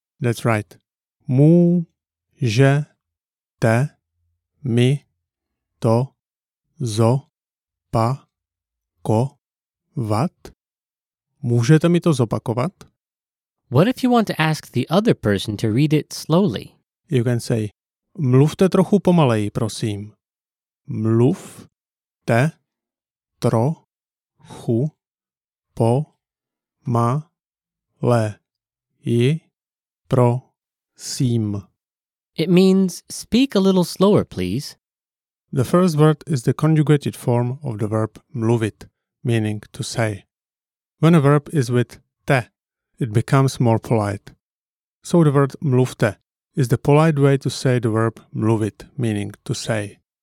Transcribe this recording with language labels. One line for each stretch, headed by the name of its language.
English: That's right.
Czech: Můžete mi to zopakovat?
English: What?
Czech: Můžete mi to zopakovat?
English: What if you want to ask the other person to read it slowly? You can say,
Czech: mluvte trochu pomaleji, prosím. Mluvte trochu pomaleji, prosím.
English: It means, speak a little slower, please. The first word is the conjugated form of the verb mluvit, meaning to say. When a verb is with te, it becomes more polite. So the word mluvte is the polite way to say the verb mluvit, meaning to say.